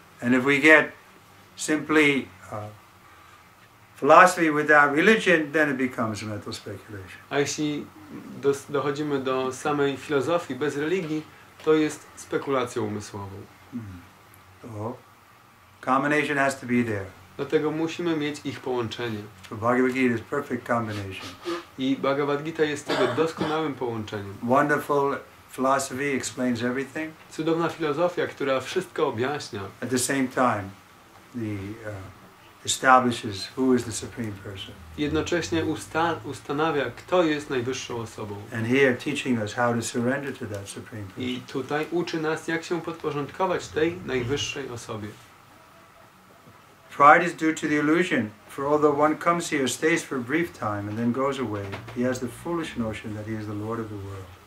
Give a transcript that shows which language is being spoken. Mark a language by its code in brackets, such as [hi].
[en] And if we get simply philosophy without religion, then it becomes mental speculation. [pl] A jeśli dochodzimy do samej filozofii bez religii, to jest spekulacją umysłową. [en] Mm-hmm. So, combination has to be there. [pl] Dlatego musimy mieć ich połączenie. [en] Bhagavad Gita is perfect combination. [pl] I Bhagavad Gita jest tego doskonałym połączeniem. [en] Wonderful philosophy explains everything. [pl] Cudowna filozofia, która wszystko objaśnia. [en] At the same time, the establishes who is the supreme person. [pl] Jednocześnie ustanawia, kto jest najwyższą osobą. [en] And here teaching us how to surrender to that supreme person. [pl] I tutaj uczy nas, jak się podporządkować tej najwyższej osobie. [en] Pride is due to the illusion, for although one comes here, stays for a brief time, and then goes away, he has the foolish notion that he is the lord of the world.